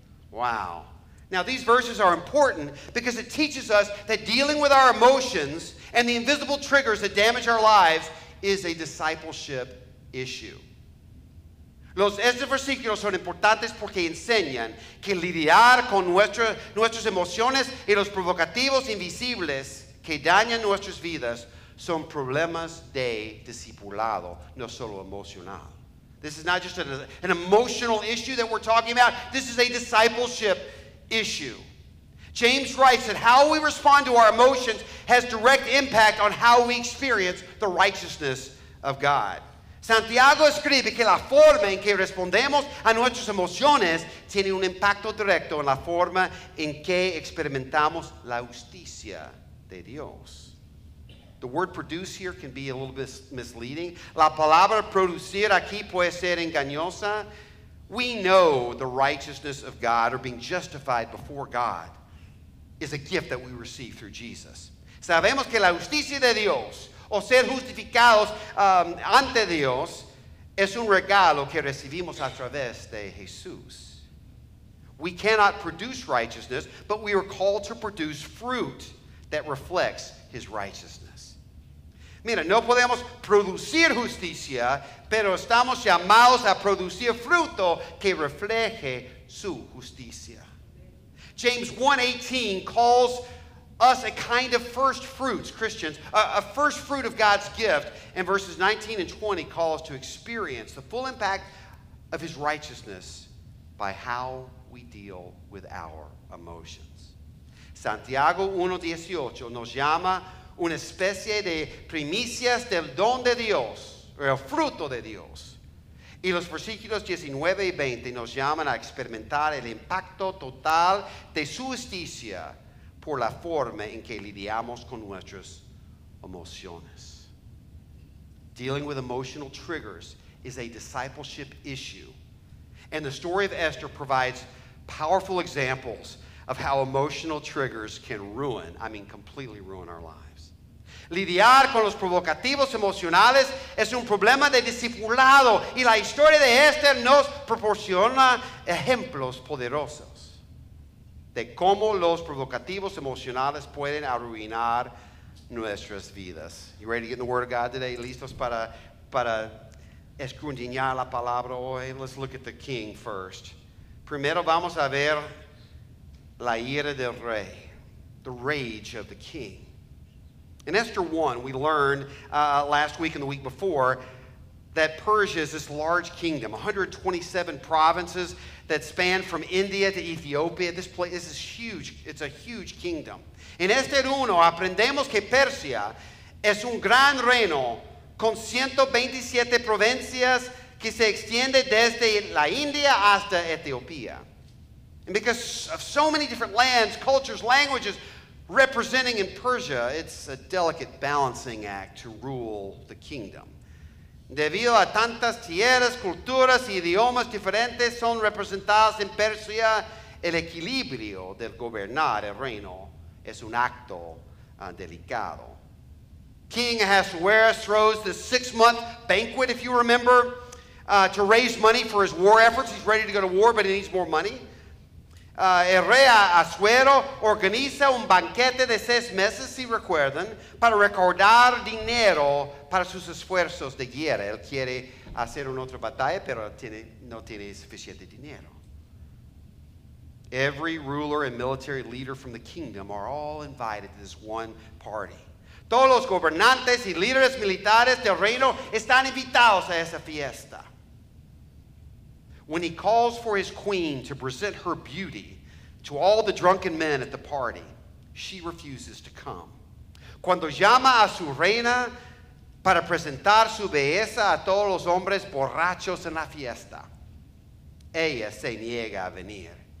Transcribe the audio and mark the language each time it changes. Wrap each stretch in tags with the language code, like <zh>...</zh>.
<en>Wow. Now these verses are important because it teaches us that dealing with our emotions and the invisible triggers that damage our lives is a discipleship issue.</en> <es>Estos versículos son importantes porque enseñan que lidiar con nuestras emociones y los provocativos invisibles que dañan nuestras vidas son problemas de discipulado, no solo emocional.</es> <en>This is not just an emotional issue that we're talking about. This is a discipleship issue. James writes that how we respond to our emotions has direct impact on how we experience the righteousness of God.</en> <es>Santiago escribe que la forma en que respondemos a nuestras emociones tiene un impacto directo en la forma en que experimentamos la justicia de Dios.</es> <en>The word produce here can be a little bit misleading.</en> <es>La palabra producir aquí puede ser engañosa.</es> <en>We know the righteousness of God, or being justified before God, is a gift that we receive through Jesus.</en> <es>Sabemos que la justicia de Dios, o ser justificados ante Dios, es un regalo que recibimos a través de Jesús.</es> <en>We cannot produce righteousness, but we are called to produce fruit that reflects his righteousness.</en> <es>Mira, no podemos producir justicia, pero estamos llamados a producir fruto que refleje su justicia.</es> <en>James 1:18 calls us a kind of first fruits, Christians, a first fruit of God's gift, and verses 19 and 20 call us to experience the full impact of his righteousness by how we deal with our emotions.</en> <es>Santiago 1:18 nos llama una especie de primicias del don de Dios, o el fruto de Dios. Y los versículos 19 y 20 nos llaman a experimentar el impacto total de su justicia por la forma en que lidiamos con nuestras emociones.</es> <en>Dealing with emotional triggers is a discipleship issue. And the story of Esther provides powerful examples of how emotional triggers can ruin, I mean completely ruin our lives.</en> <es>Lidiar con los provocativos emocionales es un problema de discipulado, y la historia de Esther nos proporciona ejemplos poderosos de cómo los provocativos emocionales pueden arruinar nuestras vidas.</es> <en>You ready to get in the Word of God today?</en> <es>¿Listos para escudriñar la palabra hoy?</es> <en>Let's look at the king first.</en> <es>Primero vamos a ver la ira del rey,</es> <en>the rage of the king. In Esther 1, we learned last week and the week before that Persia is this large kingdom, 127 provinces that span from India to Ethiopia. This place, this is huge. It's a huge kingdom.</en> <es>En Esther 1, aprendemos que Persia es un gran reino con 127 provincias que se extiende desde la India hasta Ethiopía.</es> <en>And because of so many different lands, cultures, languages representing in Persia, it's a delicate balancing act to rule the kingdom.</en> <es>Debido a tantas tierras, culturas y idiomas diferentes son representadas en Persia, el equilibrio del gobernar el reino es un acto delicado.</es> <en>King Ahasuerus throws this six-month banquet, if you remember, to raise money for his war efforts. He's ready to go to war, but he needs more money.</en> <es>El rey Ahasuero organiza un banquete de seis meses, si recuerdan, para recaudar dinero para sus esfuerzos de guerra. Él quiere hacer una otra batalla, pero no tiene suficiente dinero.</es> <en>Every ruler and military leader from the kingdom are all invited to this one party.</en> <es>Todos los gobernantes y líderes militares del reino están invitados a esa fiesta.</es> <en>when he calls for his queen to present her beauty to all the drunken men at the party, she refuses to come.</en> <es>Cuando llama a su reina para presentar su belleza a todos los hombres borrachos en la fiesta, ella se niega a venir.</es>